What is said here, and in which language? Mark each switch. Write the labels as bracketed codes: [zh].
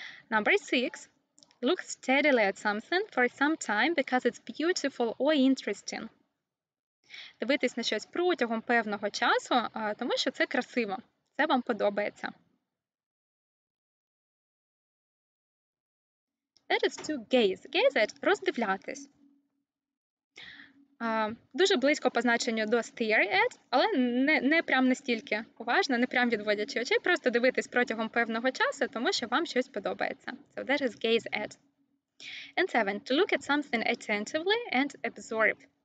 [en] Number six – look steadily at something for some time because it's beautiful or interesting. [uk] Дивитись на щось протягом певного часу, тому що це красиво. Це вам подобається. [en] That is to gaze. Gaze at – роздивлятись. [uk] Дуже близько по значенню до stare at, але не прям настільки уважно, не прям відводячи очей, просто дивитись протягом певного часу, тому що вам щось подобається. [en] So that is gaze at. And seven, to look at something attentively and absorb.